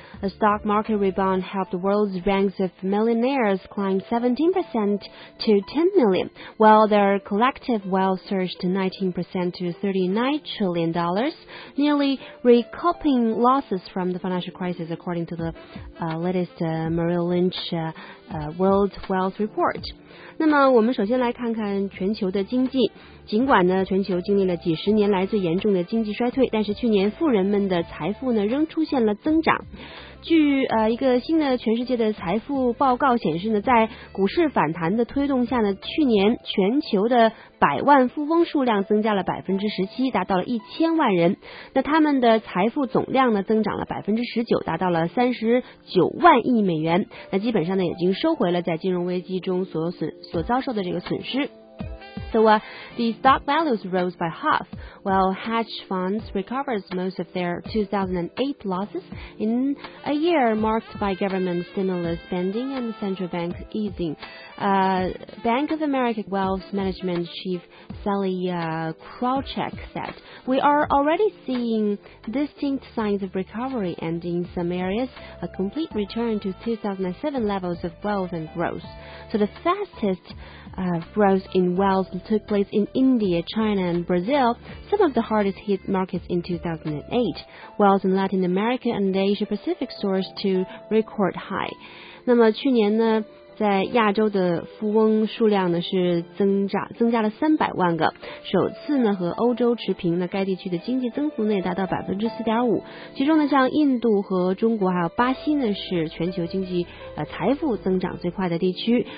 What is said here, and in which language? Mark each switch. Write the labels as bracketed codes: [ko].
[en] A stock market rebound helped the world's ranks of millionaires climb 17% to 10 million, while their collective wealth surged 19% to $39 trillion, nearly recouping losses from the financial crisis, according to the latest Merrill Lynch World Wealth Report. [zh] 那么我们首先来看看全球的经济。尽管呢，全球经历了几十年来最严重的经济衰退，但是去年富人们的财富呢，仍出现了增长。据一个新的全世界的财富报告显示呢，在股市反弹的推动下呢，去年全球的百万富翁数量增加了17%，达到了1000万人。那他们的财富总量呢，增长了19%，达到了39万亿美元。那基本上呢，已经收回了在金融危机中所遭受的这个损失。 [en] So the stock values rose by half, while hedge funds recovered most of their 2008 losses in a year marked by government stimulus spending and central bank easing. Bank of America Wealth Management Chief Sally Krawcheck said, "We are already seeing distinct signs of recovery and in some areas a complete return to 2007 levels of wealth and growth." So the fastest growth in wealth took place in India, China, and Brazil, some of the hardest hit markets in 2008. Wealth in Latin America and Asia Pacific soared to record high. [zh] 那么去年呢，在亚洲的富翁数量呢是增加了300万个，首次呢和欧洲持平。那该地区的经济增幅呢也达到4.5%，其中呢像印度和中国还有巴西呢是全球经济财富增长最快的地区。